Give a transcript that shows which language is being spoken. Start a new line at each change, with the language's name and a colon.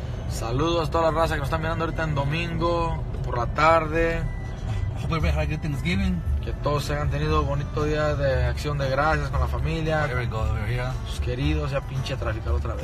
Spanish: Saludos a toda la raza que nos están mirando ahorita en domingo, por la tarde.
English: I hope everybody had a good Thanksgiving.
Spanish: Que todos hayan tenido bonito día de acción de gracias con la familia.
English: There we go, over here.
Spanish: Sus queridos, ya pinche traficado otra vez.